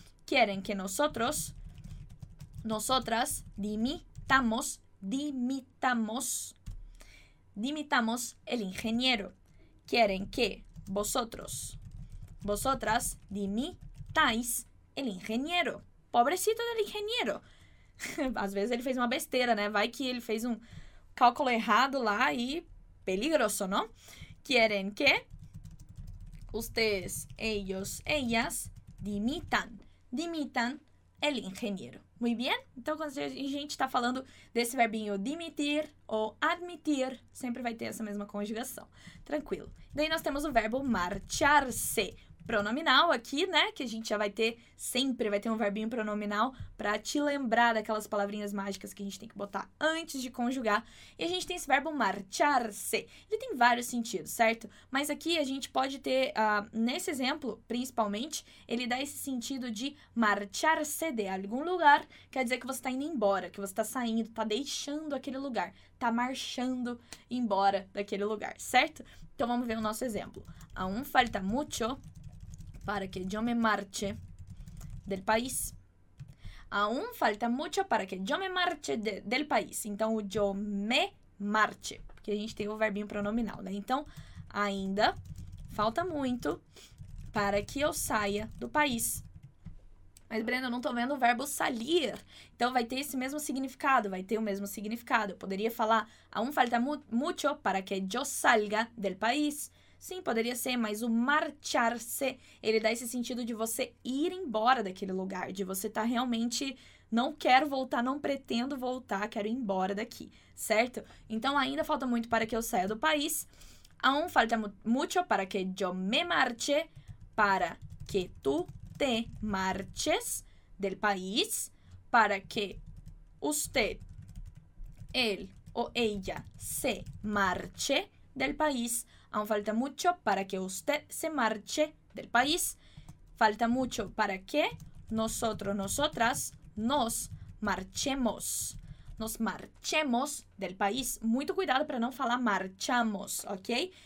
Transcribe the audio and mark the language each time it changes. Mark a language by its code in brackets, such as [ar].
[es] Querem que nosotros, nosotras, dimitamos, dimitamos. Dimitamos el ingeniero. Quieren que vosotros, vosotras, dimitáis el ingeniero. Pobrecito del ingeniero. [pt] Às vezes ele fez uma besteira, né? Vai que ele fez um cálculo errado lá e [es] peligroso, ¿no? Quieren que ustedes, ellos, ellas, dimitan. Dimitan el ingeniero. Muy bien? [pt] Então, quando a gente está falando desse verbinho dimitir ou admitir, sempre vai ter essa mesma conjugação. Tranquilo. Daí nós temos o verbo marchar-se. Pronominal aqui, né? Que a gente já vai ter, sempre vai ter um verbinho pronominal para te lembrar daquelas palavrinhas mágicas que a gente tem que botar antes de conjugar. E a gente tem esse verbo marchar-se. Ele tem vários sentidos, certo? Mas aqui a gente pode ter, nesse exemplo, principalmente, ele dá esse sentido de marchar-se de algum lugar. Quer dizer que você está indo embora, que você está saindo, está deixando aquele lugar, está marchando embora daquele lugar, certo? Então, vamos ver o nosso exemplo. [es] Aún falta mucho para que yo me marche del país. Aún falta mucho para que yo me marche del país. [pt] Então, o yo me marche, porque a gente tem o verbinho pronominal, né? Então, ainda falta muito para que eu saia do país. Mas, Brenda, eu não estou vendo o verbo salir. Então, vai ter esse mesmo significado, vai ter o mesmo significado. Eu poderia falar, [es] aún falta mucho para que yo salga del país. [pt] Sim, poderia ser, mas o marchar-se, ele dá esse sentido de você ir embora daquele lugar, de você estar realmente, não quero voltar, não pretendo voltar, quero ir embora daqui, certo? Então, ainda falta muito para que eu saia do país. [es] Aún falta mucho para que yo me marche, para que tú te marches del país, para que usted, él o ella se marche del país. Aún falta mucho para que usted se marche del país. Falta mucho para que nosotros, nosotras, nos marchemos. Nos marchemos del país. [pt] Muito cuidado para não falar marchamos, ok?